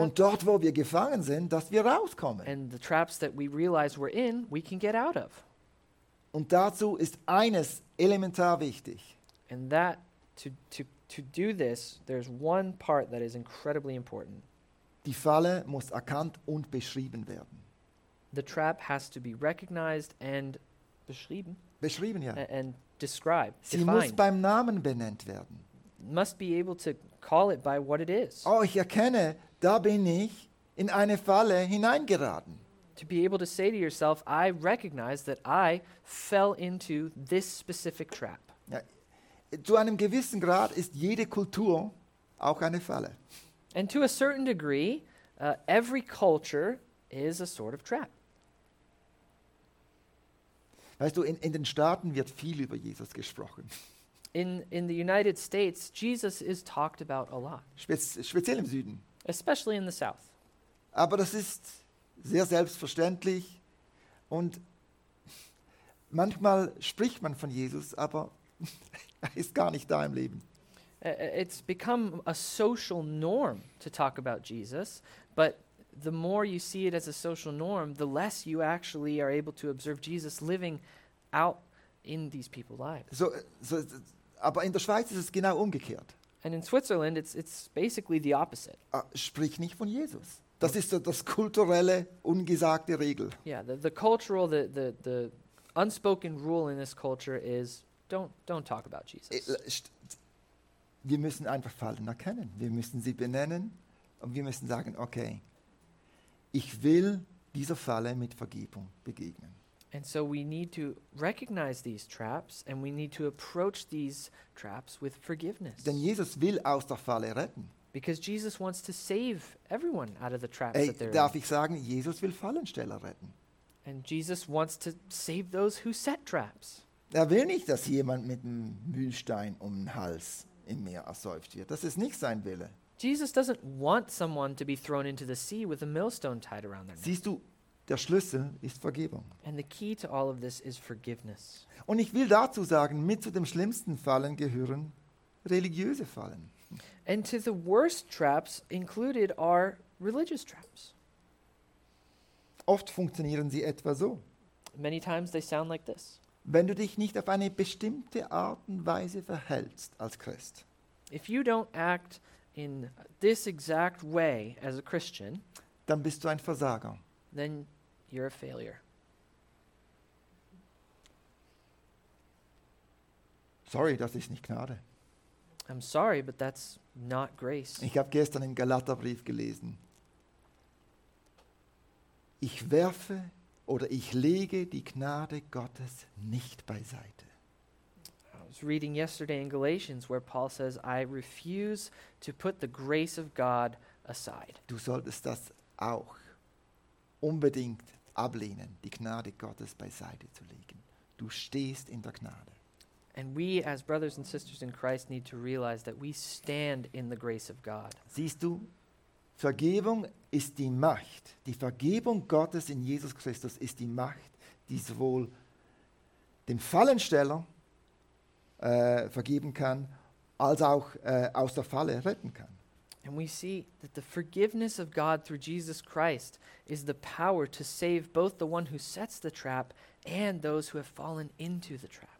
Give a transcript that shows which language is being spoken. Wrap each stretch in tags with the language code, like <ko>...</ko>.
<de>Und dort, wo wir gefangen sind, dass wir rauskommen.</de> <en>And the traps that we realize we're in, we can get out of.</en> <de>Und dazu ist eines elementar wichtig.</de> <en>And that, to do this, there's one part that is incredibly important.</en> <de>Die Falle muss erkannt und beschrieben werden.</de> <en>The trap has to be recognized and</en> <de>beschrieben, ja.</de> <en>And describe.</en> <de>Sie muss beim Namen benannt werden.</de> <en>Must be able to call it by what it is.</en> <de>Oh, ich erkenne, da bin ich in eine Falle hineingeraten.</de> <en>To be able to say to yourself, I recognize that I fell into this specific trap.</en> <de>Ja. Zu einem gewissen Grad ist jede Kultur auch eine Falle.</de> <en>And to a certain degree, every culture is a sort of trap.</en> <de>Weißt du, in den Staaten wird viel über Jesus gesprochen.</de> <en>In the United States, Jesus is talked about a lot.</en> <de>Speziell im Süden.</de> <en>Especially in the South.</en> <de>Aber das ist sehr selbstverständlich. Und manchmal spricht man von Jesus, aber er ist gar nicht da im Leben.</de> <en>It's become a social norm to talk about Jesus, but the more you see it as a social norm, the less you actually are able to observe Jesus living out in these people's lives.</en> <de>So, aber in der Schweiz ist es genau umgekehrt.</de> <en>And in Switzerland, it's basically the opposite.</en> <de>Sprich nicht von Jesus. Das ist das kulturelle, ungesagte Regel.</de> <en>Yeah, the unspoken rule in this culture is don't talk about Jesus.</en> <de>Wir müssen einfach Fallen erkennen. Wir müssen sie benennen und wir müssen sagen, okay, ich will dieser Falle mit Vergebung begegnen.</de> <en>And so we need to recognize these traps and we need to approach these traps with forgiveness.</en> <de>Denn Jesus will aus der Falle retten.</de> <en>Because Jesus wants to save everyone out of the traps that they're in.</en> <de>Darf ich sagen, Jesus will Fallensteller retten.</de> <en>And Jesus wants to save those who set traps.</en> <de>Er will nicht, dass jemand mit einem Mühlstein um den Hals im Meer ersäuft wird. Das ist nicht sein Wille.</de> <en>Jesus doesn't want someone to be thrown into the sea with a millstone tied around their neck.</en> <de>Siehst du, der Schlüssel ist Vergebung.</de> <en>And the key to all of this is forgiveness.</en> <de>Und ich will dazu sagen, mit zu den schlimmsten Fallen gehören religiöse Fallen.</de> <en>And to the worst traps included are religious traps.</en> <de>Oft funktionieren sie etwa so.</de> <en>Many times they sound like this.</en> <de>Wenn du dich nicht auf eine bestimmte Art und Weise verhältst als Christ.</de> <en>If you don't act in this exact way as a Christian,</en> <de>dann bist du ein Versager.</de> <en>Then you're a failure.</en> <de>Sorry, das ist nicht Gnade.</de> <en>I'm sorry, but that's not grace.</en> <de>Ich habe gestern im Galaterbrief gelesen. Ich werfe oder ich lege die Gnade Gottes nicht beiseite.</de> <en>I was reading yesterday in Galatians where Paul says, I refuse to put the grace of God aside.</en> <de>Du solltest das auch unbedingt ablehnen, die Gnade Gottes beiseite zu legen. Du stehst in der Gnade.</de> <en>And we as brothers and sisters in Christ need to realize that we stand in the grace of God.</en> <de>Siehst du, Vergebung ist die Macht. Die Vergebung Gottes in Jesus Christus ist die Macht, die sowohl dem Fallensteller vergeben kann, als auch aus der Falle retten kann.</de> <en>And we see that the forgiveness of God through Jesus Christ is the power to save both the one who sets the trap and those who have fallen into the trap.</en>